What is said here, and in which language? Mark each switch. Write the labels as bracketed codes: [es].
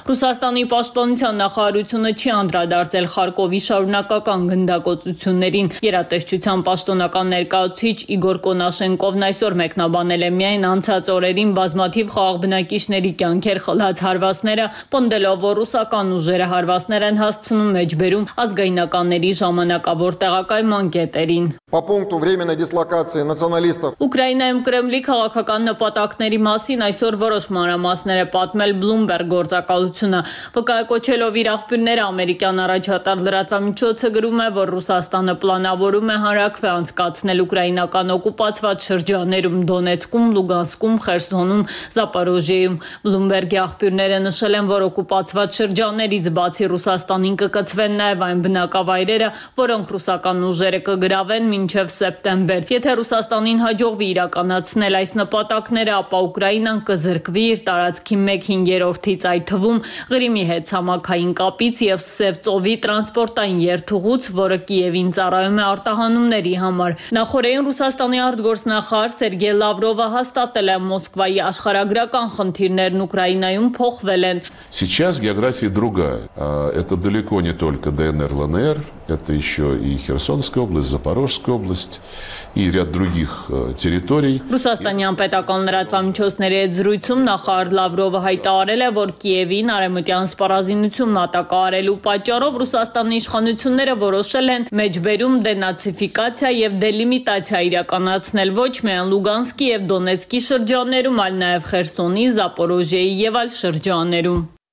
[hy] Ռուսաստանի պաշտպանության նախարարությունը չի անդրադարձել Խարկովի շարունակական գնդակոծություններին։ Երատեսչության պաշտոնական ներկայացուցիչ Իգոր Կոնաշենկովն այսօր մեկնաբանել է միայն անցած օրերին բազմաթիվ խաղաբնակիչների կյանքեր խլած հարվածները, պնդելով, որ ռուսական ուժերը հարվածներ են հասցնում մեջբերում ազգայնականների ժամանակավոր տեղակայման կետերին։ [ru] По пункту временной дислокации националистов [hy] Ուկրաինայում Կրեմլի քաղաքական նպատակ նպատակների մասին այսօր որոշ մանրամասներ է պատմել Bloomberg գործակալությունը։ ՎԿ-ի կոչելով իր աղբյուրները, ամերիկյան առաջատար լրատվամիջոցը գրում է, որ Ռուսաստանը պլանավորում է հանրաքվե անցկացնել ուկրաինական օկուպացված շրջաններում՝ Դոնեցկում, Լուգանսկում, Խերսոնում, Զապարոժիեում։ Bloomberg-ի աղբյուրները նշել են, որ օկուպացված շրջաններից բացի Ռուսաստանին կկցվեն նաև այն բնակավայրերը, որոնք ռուսական ուժերը կգրավեն մինչև սեպտեմբեր։ Եթե Ռուսաստանին հաջողվի իրականացնել այս նպատակները, ապա Ուկրաինան կզրկվի իր տարածքի 1/5-րդից, այդ թվում Ղրիմի հեծամաքային կապից և Սև ծովի տրանսպորտային երթուղուց, որը Կիևին ծառայում է արտահանումների համար։ Նախորդին Ռուսաստանի արտգործնախարար Սերգեյ Լավրովը հաստատել է, Մոսկվայի աշխարհագրական խնդիրներն Ուկրաինայում փոխվել են։ [ru] Сейчас география другая. Это далеко не только ДНР, ЛНР, это еще и Херсонская область, Запорожская область и ряд других территорий. [hy] Ռուսաստանյան պետական լրատվամիջոցների հետ զրույցում նախարար Լավրովը հայտարարել է, որ Կիևին արևմտյան սպառազինություն մատակարարելու պատճառով Ռուսաստանի իշխանությունները որոշել են մեջբերում դենացիֆիկացիա և դելիմիտացիա իրականացնել ոչ միայն Լուգանսկի և Դոնեցկի շրջաններում, այլ նաև Խերսոնի, Զապորոժիեի և այլ շրջաններում։